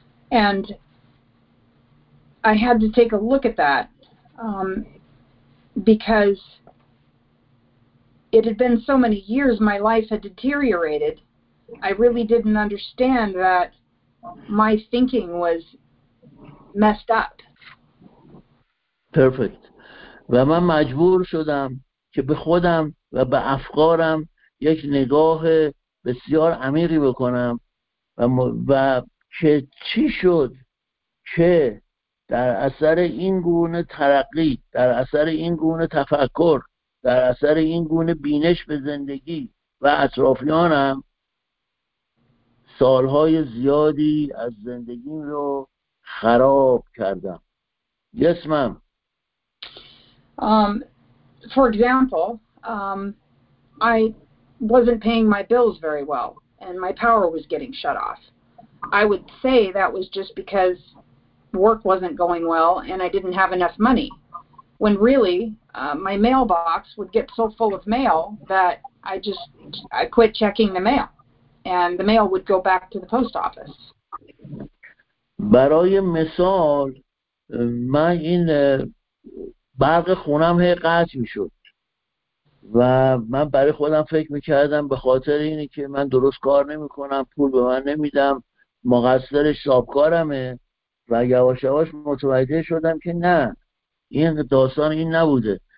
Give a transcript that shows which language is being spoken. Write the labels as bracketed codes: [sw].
[en] And I had to take a look at that because it had been so many years, my life had deteriorated. I really didn't understand that my thinking was messed up. Perfect. [fa] و من مجبور شدم که به خودم و به افکارم یک نگاه بسیار عمیقی بکنم و که چی شد که در اثر این گونه ترقی، در اثر این گونه تفکر، در اثر این گونه بینش به زندگی و اطرافیانم، سالهای زیادی از زندگیم رو خراب کردم. [en] Yes, ma'am. For example, I wasn't paying my bills very well, and my power was getting shut off. I would say that was just because work wasn't going well, and I didn't have enough money. When really, my mailbox would get so full of mail that I quit checking the mail, and the mail would go back to the post office. [fa] برای مثال من این برق خونم هی قطع میشد و من برای خودم فکر میکردم به خاطر اینه که من درست کار نمیکنم، پول به من نمیدم، مقصر شاپکارمه و یواش یواش متوجه شدم که نه، این داستان این نبوده.